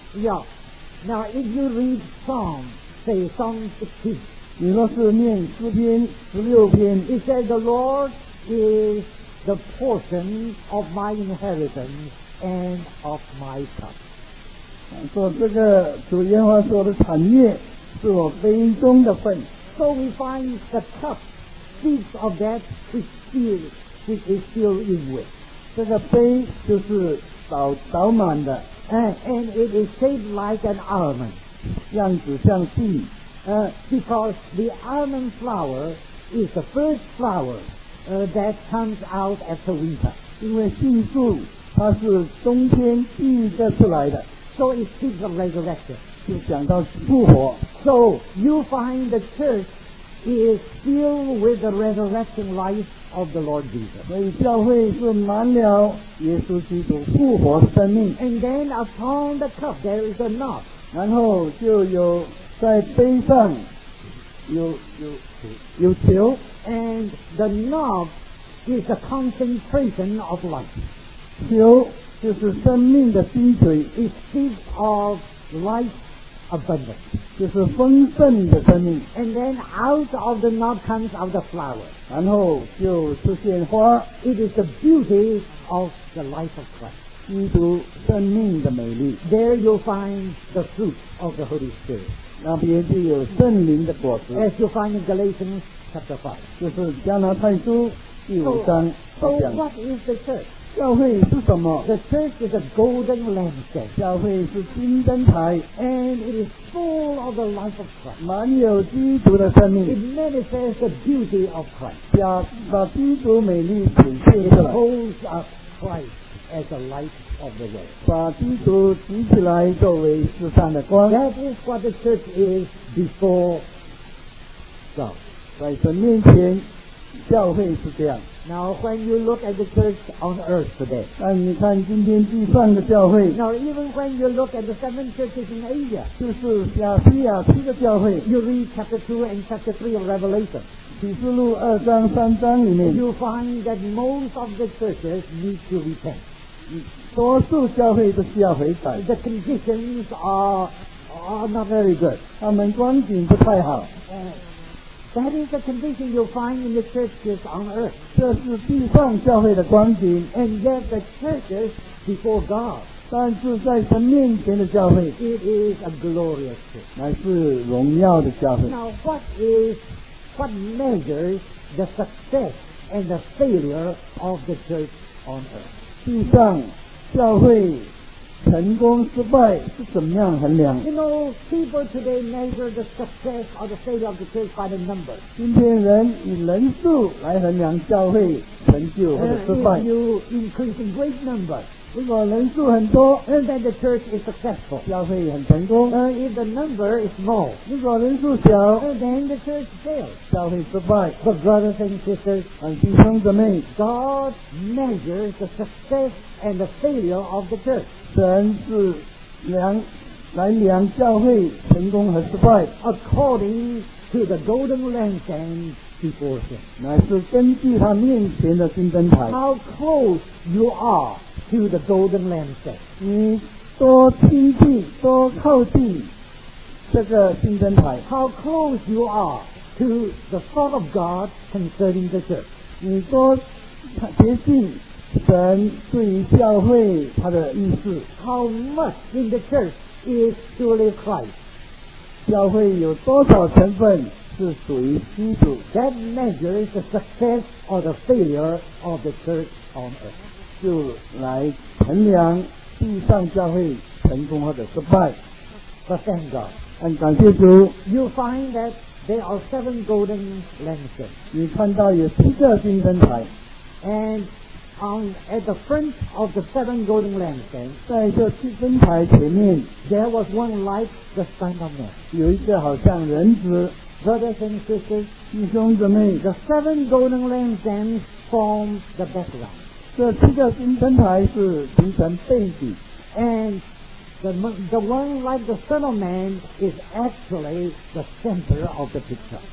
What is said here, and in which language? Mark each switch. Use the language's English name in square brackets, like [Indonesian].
[English] Yeah. Now, if you read Psalm, say Psalm 16. [Chinese] 你若是念诗篇16篇。 [English] It says, the Lord is the portion of my inheritance and of my cup. [Chinese] 说这个主耶和华说的产业是我杯中的份。 [English] So we find the cup speaks of that which is. It is still in with. [Chinese] 这个杯就是倒满的。 [English] And it is shaped like an almond. [Chinese] 样子像杏。 [English] Because the almond flower is the first flower, that comes out after winter. [Chinese] 因为杏树它是冬天第一个出来的。 [English] So it speaks of resurrection. [Chinese] 就讲到复活。 [English] So you find the church is still with the resurrection life. Of the Lord Jesus. [Chinese] 所以教会是满了耶稣基督复活生命。 [English] And then upon the cup there is a knot. [Chinese] 然后就有在杯上有球。 [English] And the knot is a concentration of life. [Chinese] 球就是生命的精髓。 [English] It speaks of life abundance. [Chinese] 就是丰盛的生命 [English] and then out of the knot comes out the flower [Chinese] 然后就出现花 [English] it is the beauty of the life of Christ [Chinese] 基督生命的美丽 [English] there you'll find the fruit of the Holy Spirit [Chinese] 那边就有圣灵的果子 [English] as you find in Galatians chapter 5 [Chinese] 就是加拿太书第五章 [English] so what is the church? [Chinese] 教会是什么 [English] the church is a golden lampstand [Chinese] 教会是金灯台 [English] and it isfull of the life of Christ [Chinese] 满有基督的生命 [English] it manifests the beauty of Christ [Chinese] 把基督美丽显现出来 [English] it holds up Christ as the light of the world [Chinese] 把基督举起来作为世上的光 [English] that is what the church is before God [Chinese] 在神面前教会是这样。 [English] Now when you look at the church on earth today, [Chinese] 但你看今天地上的教会。 [English] Now even when you look at the seven churches in Asia, [Chinese] 就是亚细亚七个教会。 [English] You read chapter 2 and chapter 3 of Revelation. [Chinese] 启示录二章三章里面 [English] you find that most of the churches need to repent. [Chinese] 多数教会都需要悔改。 [English] The conditions are not very good. [Chinese] 他们光景不太好。 [English] That is the condition you find in the churches on earth. [Chinese] 这是地上教会的光景。 [English] And yet the churches before God. [Chinese] 但是在神面前的教会 [English] it is a glorious church. [Chinese] 乃是荣耀的教会。 [English] Now what measures the success and the failure of the church on earth? [Chinese] 地上教会成功失败是怎么样衡量？ [English] You know, people today measure the success or the failure of the church by the number. [Chinese] 今天人以人数来衡量教会成就或者失败。 [English] If you increase in great number, [Chinese] 如果人数很多 [English] then the church is successful. [Chinese] 教会很成功。 [English] If the number is small, [Chinese] 如果人数小 [English] then the church fails. [Chinese] 教会失败。 [English] But brothers and sisters, [Chinese] 弟兄姊妹 [English] God measures the success and the failure of the church. [Chinese] 神是来量教会成功和失败 [English] according to the golden lampstand before him [Chinese] 乃是根据他面前的金灯台 [English] how close you are to the golden lampstand [Chinese] 你多亲近多靠近这个金灯台 [English] how close you are to the thought of God concerning the church [Chinese] 你多接近神对于教会他的意思 [English] How much in the church is truly Christ? [Chinese] 教会有多少成分是属于基督 [English] That measures the success or the failure of the church on earth [Chinese] 就来衡量地上教会成功或者失败 [English] But thank God [Chinese] And 感谢主 [English] You find that there are seven golden lampstands [Chinese] 你看到有七个金灯台 [English] AndAt the front of the seven golden lampstands, [Chinese] 在这七根台前面 [English] there was one like the Son of Man. [Chinese] 有一个好像人子 [English] Brothers and sisters, [Chinese] 弟兄姊妹 [English] the seven golden lampstands form the background. [Chinese] 这七个金灯台是形成背景 [English] And the one like the Son of Man is actually the center of the picture.